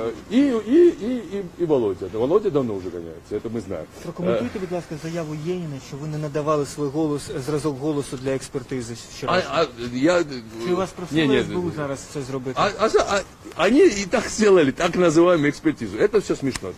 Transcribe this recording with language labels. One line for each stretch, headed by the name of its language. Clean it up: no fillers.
Russian: И Володя. Володя давно уже гоняется, это мы знаем.
Ukrainian: Прокоментуйте, будь ласка, заяву Єніна, що ви не надавали свой голос, зразок голосу для експертизи вчора. Чи вас просили СБУ зараз це зробити?
Russian: Они и так сделали, так называемую экспертизу. Это все смешно.